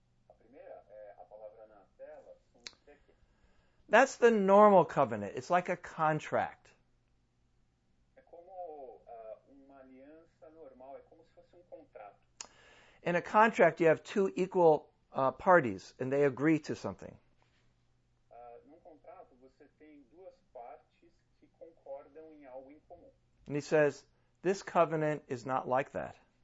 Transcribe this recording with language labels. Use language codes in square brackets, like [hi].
[pt] A primeira é a palavra na tela, sonthiki. [en] That's the normal covenant. It's like a contract. [pt] É como uma aliança normal, é como se fosse um contrato. [en] In a contract, you have two equal parties, and they agree to something. [pt] Num contrato, você tem duas partes que concordam em algo em comum. [en] And he says, this covenant is not like that.